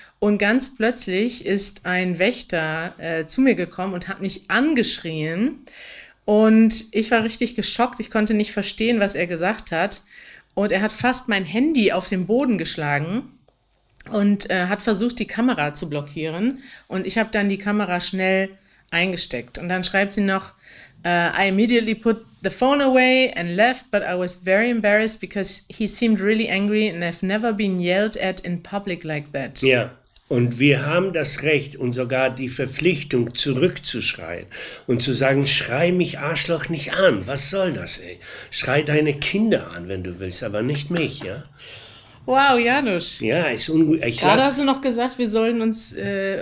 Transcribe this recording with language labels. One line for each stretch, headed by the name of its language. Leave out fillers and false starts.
German: Und ganz plötzlich ist ein Wächter zu mir gekommen und hat mich angeschrien. Und ich war richtig geschockt. Ich konnte nicht verstehen, was er gesagt hat. Und er hat fast mein Handy auf den Boden geschlagen und hat versucht, die Kamera zu blockieren. Und ich habe dann die Kamera schnell eingesteckt. Und dann schreibt sie noch,
English: I immediately put the phone away and left, but I was very embarrassed because he seemed really angry and I've never been yelled at in public like that.
German: Ja, und wir haben das Recht und sogar die Verpflichtung, zurückzuschreien und zu sagen, schrei mich Arschloch nicht an, was soll das, ey? Schrei deine Kinder an, wenn du willst, aber nicht mich, ja? Wow, Janusz. Ja, ist ungut. Gerade hast du noch gesagt, wir sollen uns erziehen